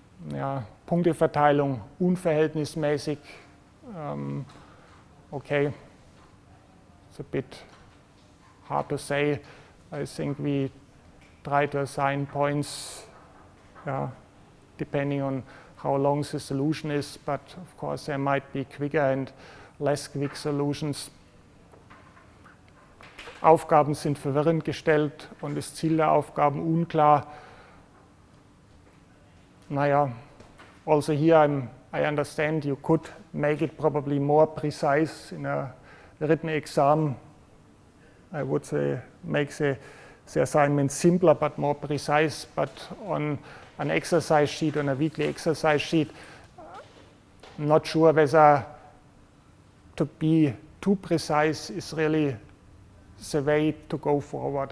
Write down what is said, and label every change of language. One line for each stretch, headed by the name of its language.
German: Ja, Punkteverteilung unverhältnismäßig,
English: okay, it's a bit hard to say. I think we try to assign points depending on how long the solution is, but of course there might be quicker and less quick solutions.
German: Aufgaben sind verwirrend gestellt und das Ziel der Aufgaben unklar.
English: Also here I understand you could make it probably more precise in a written exam. I would say make the assignment simpler but more precise, but on an exercise sheet, on a weekly exercise sheet, I'm not sure whether to be too precise is really the way to go forward.